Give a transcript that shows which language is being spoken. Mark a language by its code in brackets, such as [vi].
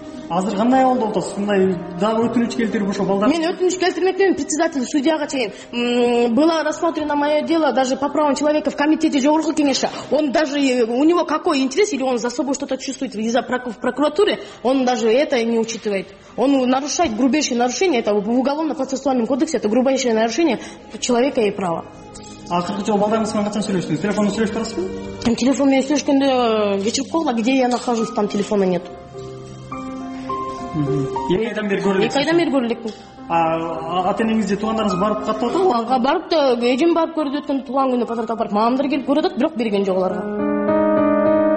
[ky] Азыр кандай болду отосуз? Мындай дагы өтүнүч келтирип ошо балдар. Мен өтүнүч келтирмек деп председатель судьяга чейин [ru] было рассмотрено мое дело даже по правам человека в комитете [ky] жогорку кеңеши. [ru] Он даже у него какой интерес или он за собой что-то чувствует из-за прокуратуры, он даже это не учитывает. Он нарушает грубейшие нарушения, это в уголовно-процессуальном кодексе, это грубейшее нарушение человека и права. А как же [ky] балдар менен качан сүйлөштүңүз? Телефонду сүйлөшүп турасызбы? Телефон менен сүйлөшкөндө кечирип койгула, [ru] где я нахожусь, там телефона нет. [ky] Эки айдан бери көрө элекпин. Ата энеңизди, туугандарыңызды барып катып атабы? Ага барып да, эжем барып көрүп өткөн тууган күнү подарок алып барып, мамамдар келип көрө атат, бирок берген жок аларга.